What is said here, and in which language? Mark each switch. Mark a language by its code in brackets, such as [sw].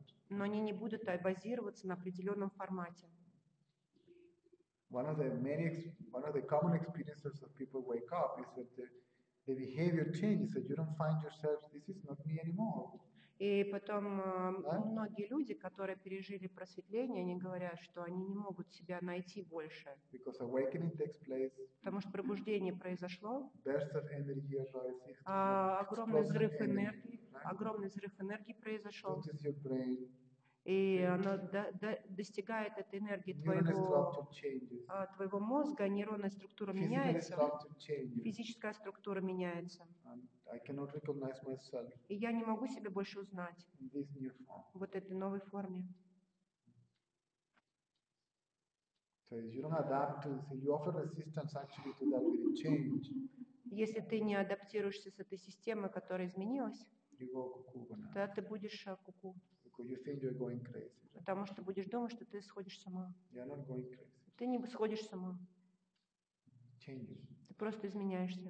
[ru] Но они не будут базироваться на определенном формате. [en] One of the common experiences of people wake up is that the behavior changes, that you don't find yourself, this is not me anymore. [ru] И потом многие люди, которые пережили просветление, они говорят, что они не могут себя найти больше. [en] Because awakening takes place. [ru] Потому что пробуждение произошло. [en] Burst of energy arises. [ru] Огромный взрыв энергии. Огромный взрыв энергии произошел. [en] This is your brain. [ru] И оно достигает этой энергии твоего мозга, нейронная структура меняется, физическая структура меняется. [en] I cannot recognize myself. [ru] И я не могу себя больше узнать [en] in this new form. [ru] Вот этой новой форме. [en] So you don't adapt to this, you offer resistance actually to that very change. [ru] Если ты не адаптируешься с этой системой, которая изменилась, [en] you go cuckoo [ru] banana. Тогда ты будешь ку-ку. [en] You think you're going crazy, right? [ru] Потому что будешь думать, что ты сходишь с ума. [en] You're not going crazy. [ru] Ты не сходишь с ума. [en] Changes. [ru] Ты просто изменяешься.